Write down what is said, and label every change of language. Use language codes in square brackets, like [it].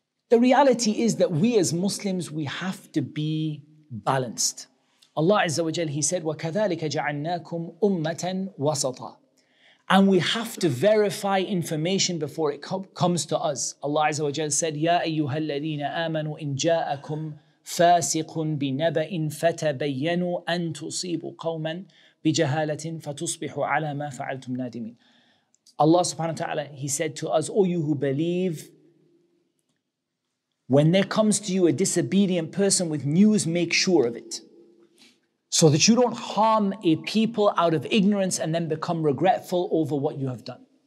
[en] The reality is that we as Muslims, we have to be balanced. Allah Azza wa Jal, He said, [ar] وَكَذَلِكَ جَعَلْنَاكُمْ أُمَّةً وَسَطًا. [en] And we have to verify information before it comes to us. Allah Azza wa Jal said, [ar] يَا أَيُّهَا الَّذِينَ آمَنُوا إِن جَاءَكُمْ فَاسِقٌ بِنَبَئٍ فَتَبَيَّنُوا أَن تُصِيبُوا قَوْمًا بِجَهَالَةٍ فَتُصْبِحُوا عَلَى مَا فَعَلْتُمْ نَادِمِينَ. [en] Allah subhanahu wa ta'ala, He said to us, O you who believe, when there comes to you a disobedient person with news, make sure of it, so that you don't harm a people out of ignorance and then become regretful over what you have done.